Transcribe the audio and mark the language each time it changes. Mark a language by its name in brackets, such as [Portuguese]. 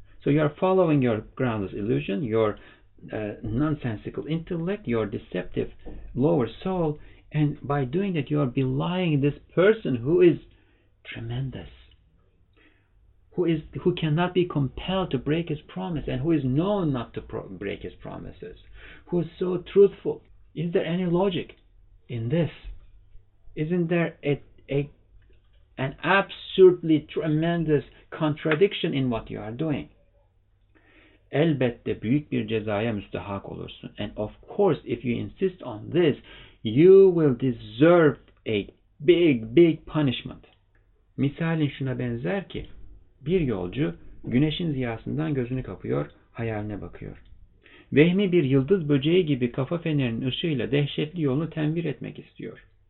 [English] So you are following your groundless illusion, your nonsensical intellect, your deceptive lower soul, and by doing that you are belying this person who is tremendous, who cannot be compelled to break his promise, and who is known not to break his promises, who is so truthful. Is there any logic in this? Isn't there an absolutely tremendous contradiction in what you are doing? [Turkish] Elbette büyük bir cezaya müstahak olursun. [English] And of course, if you insist on this, you will deserve a big, big punishment. [Turkish] Misalin şuna benzer ki, bir yolcu güneşin ziyasından gözünü kapıyor, hayaline bakıyor. Vehmi bir yıldız böceği gibi kafa fenerinin ışığıyla dehşetli yolunu tembir etmek istiyor.